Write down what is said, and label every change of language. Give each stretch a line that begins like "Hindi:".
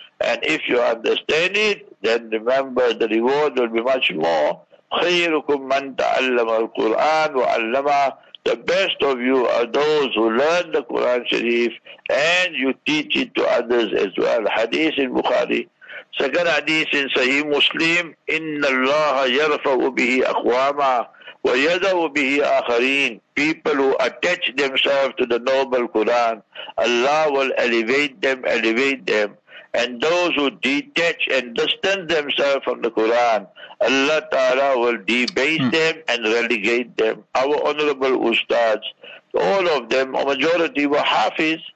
English: And if you understand it, then remember, the reward will be much more.
Arabic: خَيْرُكُمْ مَنْ تَعَلَّمَ الْقُرْآنَ وَعَلَّمَهُ.
English: The best of you are those who learn the Quran Sharif and you teach it to others as well. Hadith in Bukhari.
Arabic: سكر حديث صحيح مسلم إن الله يرفع به أقواما ويضع به آخرين.
English: People who attach themselves to the noble Quran, Allah will elevate them. And those who detach and distance themselves from the Quran, Allah Ta'ala will debase them and relegate them. Our honorable ustads, all of them, a majority were hafiz.